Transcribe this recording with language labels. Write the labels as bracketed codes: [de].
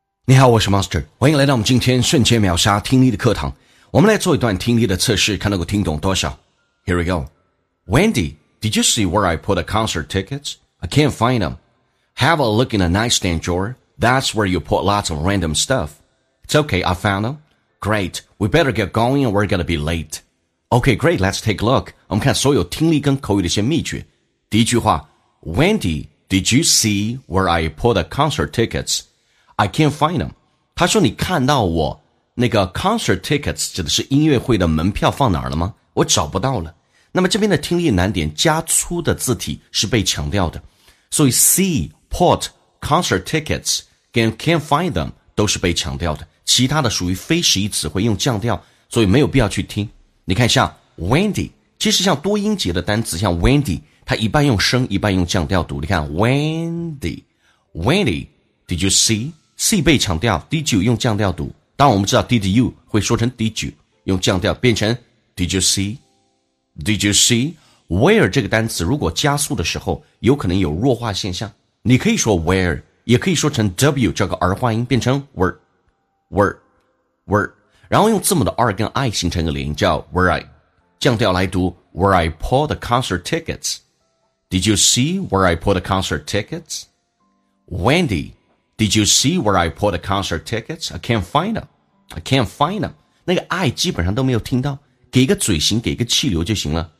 [zh] 你好，我是 Monster， 欢迎来到我们今天瞬间秒杀听力的课堂。我们来做一段听力的测试，看能够听懂多少。 [en] Here we go. Wendy, did you see where I put the concert tickets? I can't find them. Have a look in the nightstand drawer. That's where you put lots of random stuff. It's okay, I found them. Great, we better get going or we're gonna be late. Okay, great, let's take a look. [zh] 我们看所有听力跟口语的一些秘诀。第一句话， [en] Wendy, did you see where I put the concert tickets? I can't find them. [zh] 他说你看到我那个 concert tickets 指的是音乐会的门票放哪儿了吗？我找不到了。那么这边的听力难点，加粗的字体是被强调的。所以 [en] see, put, concert tickets, can't find them [zh] 都是被强调的。其他的属于非实义词汇，用降调，所以没有必要去听。你看像 Wendy, 其实像多音节的单词像 Wendy, 它一半用升一半用降调读。你看 Wendy, [en] Did you see? [zh] See 被强调， [en] Did you [zh] 用降调读。当我们知道 Did you 会说成 Did you， 用降调变成 [en] Did you see? Did you see? [zh] Where 这个单词如果加速的时候有可能有弱化现象。你可以说 where， 也可以说成 W 这个儿化音变成 were, were, were， 然后用字母的 R 跟 I 形成一个连音叫 [en] where I， [zh] 降调来读 [en] Where I pulled the concert tickets. Did you see where I pulled the concert tickets? Wendy,Did you see where I put the concert tickets? I can't find them. I can't find them. [zh] 那个 I 基本上都没有听到，给一个嘴型，给一个气流就行了。